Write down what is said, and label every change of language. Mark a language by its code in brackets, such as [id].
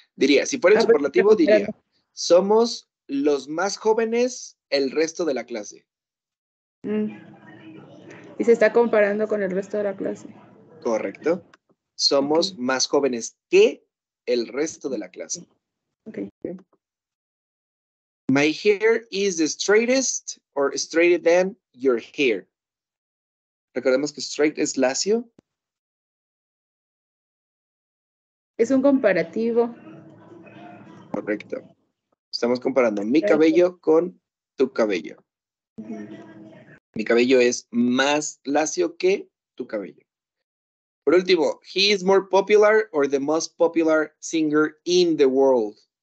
[es] Diría, si fuera el superlativo, diría, somos los más jóvenes el resto de la clase. Y se está comparando con el resto de la clase. Correcto. Somos okay. Más jóvenes que el resto de la clase. Okay. [en] My hair is the straightest or straighter than your hair. [es] Recordemos que straight es lacio. Es un comparativo. Correcto. Estamos comparando mi cabello con tu cabello. Uh-huh. Mi cabello es más lacio que tu cabello. Por último, [en] he is more popular or the most popular singer in the world.